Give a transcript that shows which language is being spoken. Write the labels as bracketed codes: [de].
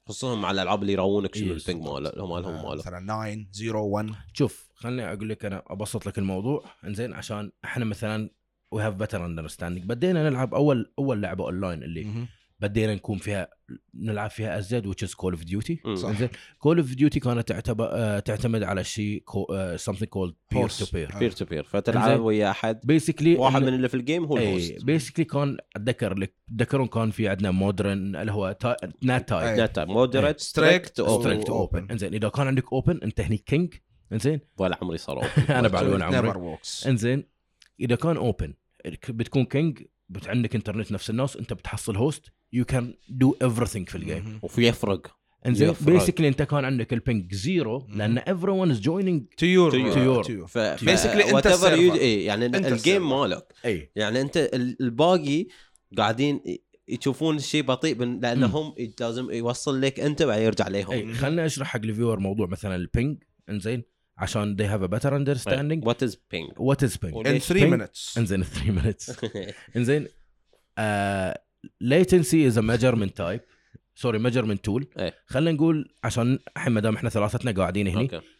[ar] خصوصا على الالعاب اللي يراونك شنو البينج ماله مالهم ماله مثلا 901 شوف خلني اقول لك انا ابسط لك الموضوع انزين عشان احنا مثلا [en] we have better understanding [ar] بدينا نلعب اول لعبه اونلاين اللي بدينا نكون فيها نلعب فيها أزيد [en] which is Call of Duty. [ar] إنزين Call of Duty كانت تعتمد على شيء [en] something called peer to peer. [ar] Peer to peer. فتلعب ويا أحد. [en] Basically [ar] واحد من اللي في الجيم هو [en] host. [ar] Basically كان أتذكر لك ذكرون كان في عندنا modern اللي هو net type. [en] Moderate strict open. Open. [ar] إنزين إذا كان عندك open أنت هني king. إنزين. ولا عمري صار open. أنا بعلون عمري. إنزين إذا كان open بتكون king. عندك انترنت نفس الناس انت بتحصل هوست [en] يو كان دو ايفرثينج [ar] في الجيم وفي يفرق انزين بيسكلي انت كان عندك البينج زيرو لان [en] everyone is joining to your to your [ar] فبيسكلي انت سيرفر يو اي يعني الجيم مالك اي يعني انت الباقي قاعدين يشوفون الشيء بطيء لانهم لازم يوصل لك انت بعدين يرجع عليهم خلني اشرح حق الفيور موضوع مثلا البينج انزين عشان [en] they have a better understanding. What is ping? What is ping? In three minutes. انزين three minutes. انزين latency is a measurement type. Sorry, measurement tool. [ar] خلنا نقول عشان الحين ما دام احنا ثلاثتنا قاعدين هنا.